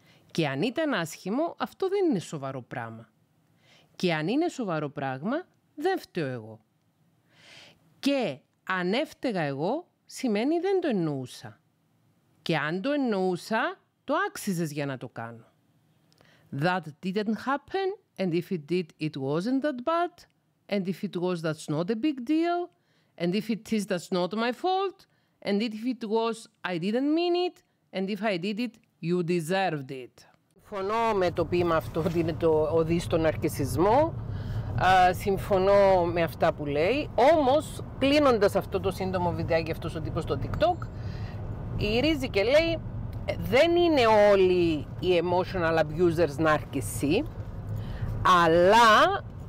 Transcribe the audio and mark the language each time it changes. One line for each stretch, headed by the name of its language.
Greek: Και αν ήταν άσχημο, αυτό δεν είναι σοβαρό πράγμα. Και αν είναι σοβαρό πράγμα, δεν φταίω εγώ. Και αν έφταιγα εγώ, σημαίνει δεν το εννοούσα. Και αν το εννοούσα, το άξιζες για να το κάνω.
English: That didn't happen, and if it did, it wasn't that bad. And if it was, that's not a big deal. And if it is, that's not my fault. And if it was, I didn't mean it. And if I did it, you deserved it.
Greek: Συμφωνώ με το ποίημα αυτό ότι είναι το οδή στον ναρκισισμό. Συμφωνώ με αυτά που λέει. Όμως, κλείνοντας αυτό το σύντομο βιντεάκι, αυτός ο τύπος στο TikTok, γυρίζει και λέει, δεν είναι όλοι οι emotional abusers ναρκισί, αλλά...